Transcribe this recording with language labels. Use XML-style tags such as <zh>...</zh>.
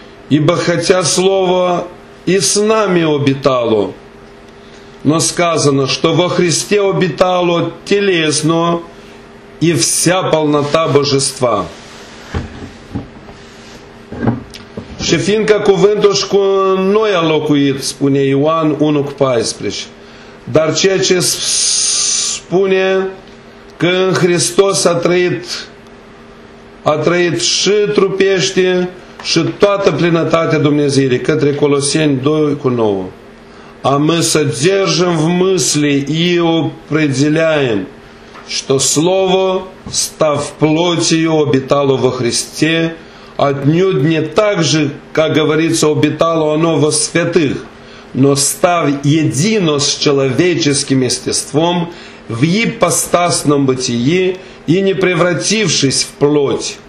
<ru>Ибо хотя слово и с нами обитало, но сказано, что во Христе обитало телесно и вся полнота Божества.</ru> <ro>Și fiindcă cuvântul și cu noi a locuit, spune Ioan 1:14. Dar ceea ce spune că în Hristos a trăit și trupește și toată plinătatea Dumnezeirii, către Coloseni 2:9.</ro> <ru>А мы содержим в мысли и определяем, что Слово, став плотью, обитало во Христе, отнюдь не так же, как говорится, обитало оно во святых, но став едино с человеческим естеством в ипостасном бытии и не превратившись в плоть,</ru>